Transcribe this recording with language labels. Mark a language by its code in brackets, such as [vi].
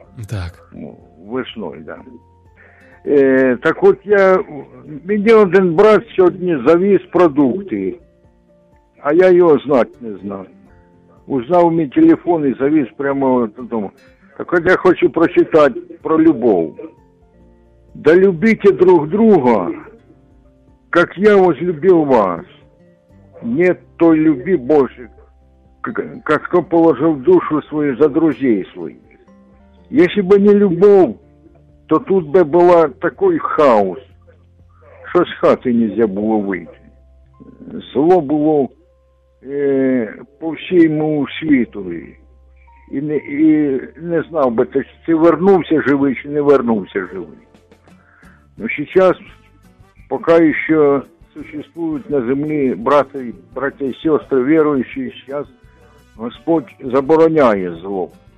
[uk] Так. Весною, да. Так от я... Мені один брат сьогодні завіз продукти. А я його знати не знав. Узнав мій телефон і завіз прямо додому. Так от я хочу прочитати про любов. [ru] «Да любите друг друга, как я возлюбил вас. Нет той любви Божьей, как кто положил душу свою за друзей своих. Если бы не любовь, то тут бы был такой хаос, что с хаты нельзя было выйти. [uk] Зло было по всьому світу. І не знав би, чи вернувся живий, чи не вернувся живий. Ну, зараз, поки ще существують на землі брати і сестри, віруючі, зараз Господь забороняє зло.